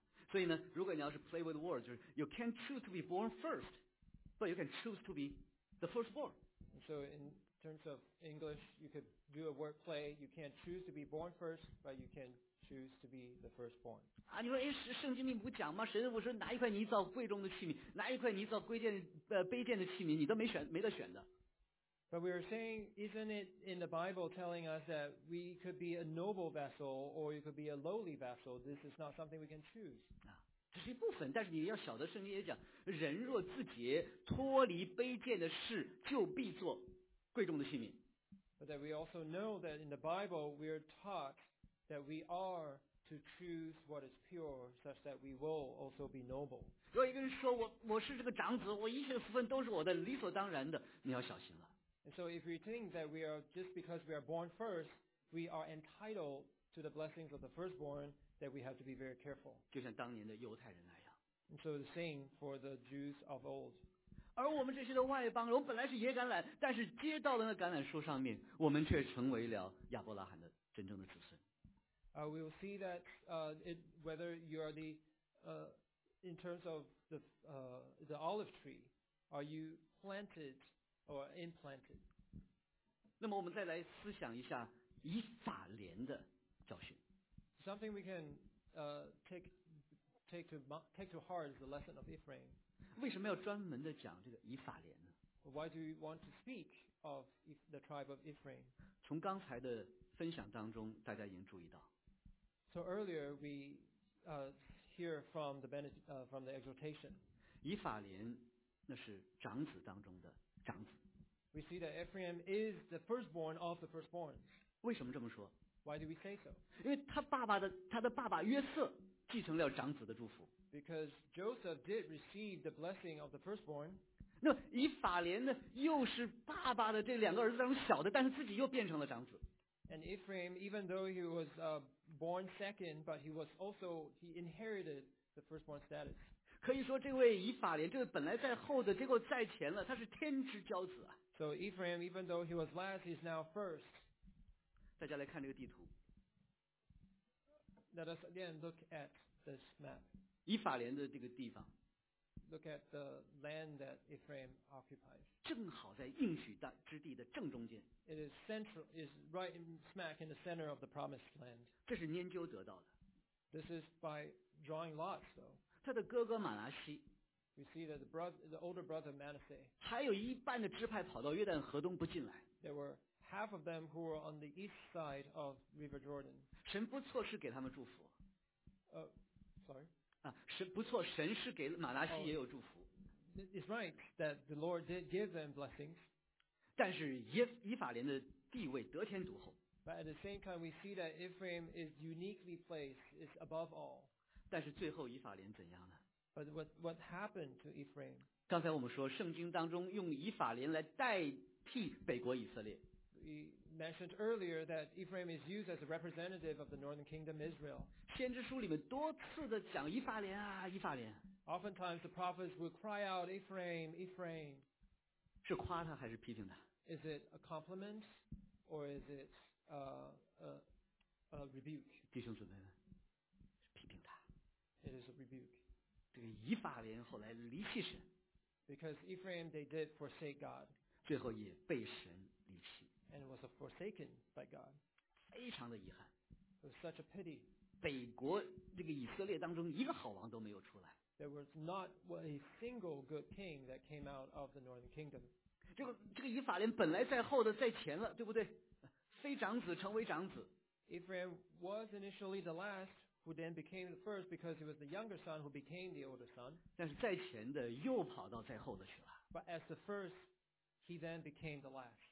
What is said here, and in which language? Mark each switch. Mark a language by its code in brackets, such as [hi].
[zh] 所以呢，如果你要是 [en] play with words, [zh] 就是 [en] you can't choose to be born first, but you can choose to be the firstborn. So in terms of English, you could do a word play. You can't choose to be born first, but you can choose to be the firstborn. [zh] 啊，你说，哎，圣经里不讲吗？神，我说拿一块泥造贵重的器皿，拿一块泥造贵贱卑贱的器皿，你都没选，没得选的。 [en] But we are saying, isn't it in the Bible telling us that we could be a noble vessel or you could be a lowly vessel? This is not something we can choose. [zh] 啊，这是一部分，但是你要晓得，圣经也讲，人若自洁，脱离卑贱的事，就必做。贵重的器皿。 [en] But that we also know that in the Bible we are taught that we are to choose what is pure, such that we will also be noble. [zh] 如果一个人说我是这个长子，我一切福分都是我的，理所当然的，你要小心了。 [en] And so if we think that we are just because we are born first, we are entitled to the blessings of the firstborn, that we have to be very careful. [zh] 就像当年的犹太人那样。 [en] And so the same for的 Jews of old. [zh] 而我们这些的外邦人，我本来是野橄榄，但是接到了那橄榄树上面，我们却成为了亚伯拉罕的真正的子孙。 [en] We will see that whether you are the in terms of the olive tree, are you planted or implanted? [zh] 那么我们再来思想一下以法莲的教训。 [en] Something we can take to heart is the lesson of Ephraim. [zh] 为什么要专门的讲这个以法莲呢 [en] ？Why do you want to speak of the tribe of Ephraim？ [zh] 从刚才的分享当中，大家已经注意到。 [en] So earlier we hear from the benedict from the exhortation。 [zh] 以法莲那是长子当中的长子。 [en] We see that Ephraim is the firstborn of the firstborn。 [zh] 为什么这么说 [en] ？Why do we say so？ [zh] 因为他的爸爸约瑟继承了长子的祝福。 [en] Because Joseph did receive the blessing of the firstborn. [zh] 那以法莲呢，又是爸爸的这两个儿子当中小的，但是自己又变成了长子。 [en] And Ephraim, even though he was born second, but he inherited the firstborn status. [zh] 可以说，这位以法莲，这位本来在后的，结果在前了，他是天之骄子啊。 [en] So Ephraim, even though he was last, is now first. [zh] 大家来看这个地图。 [en] Let us again look at this map. [zh] 以法莲的这个地方 [en] ，Look at the land that Ephraim occupies. [zh] 正好在应许之地的正中间。 [en] It is central, is right in smack in the center of the promised land. [zh] 这是研究得到的。 [en] This is by drawing lots, though. [zh] 他的哥哥马拿西。 [en] We see that the older brother Manasseh. [zh] 还有一半的支派跑到约旦河东不进来。 [en] There were half of them who were on the east side of River Jordan. [zh] 神不错是给他们祝福。 [en] Sorry. [zh] 啊，神不错，神是给马拿西也有祝福。 [en] It's right that the Lord did give them blessings. [zh] 但是以法莲的地位得天独厚。 [en] But at the same time, we see that Ephraim is uniquely placed, is above all. [zh] 但是最后以法莲怎样呢？ [en] But what happened to Ephraim? [zh] 刚才我们说圣经当中用以法莲来代替北国以色列。 [en] We mentioned earlier that Ephraim is used as a representative of the northern kingdom Israel. [zh] 先知书里面多次的讲以法莲啊，以法莲。 [en] Oftentimes the prophets would cry out, Ephraim, Ephraim. [zh] 是夸他还是批评他？ [en] Is it a compliment or is it a rebuke? [zh] 弟兄姊妹们，是批评他。 [en] It is a rebuke. [zh] 这个以法莲后来离弃神 [en] ，because Ephraim they did forsake God， [zh] 最后也被神离弃 [en] ，and was forsaken by God， [zh] 非常的遗憾 [en] ，it was such a pity。 [zh] 北国这个以色列当中一个好王都没有出来 [en] ，there was not a single good king that came out of the northern kingdom。 [zh] 这个以法莲本来在后的，在前了，对不对？非长子成为长子 [en] ，Ephraim was initially the last。 Who then became the first because he was the younger son who became the older son. 但是在前的又跑到在后的去了。 But as the first, he then became the last.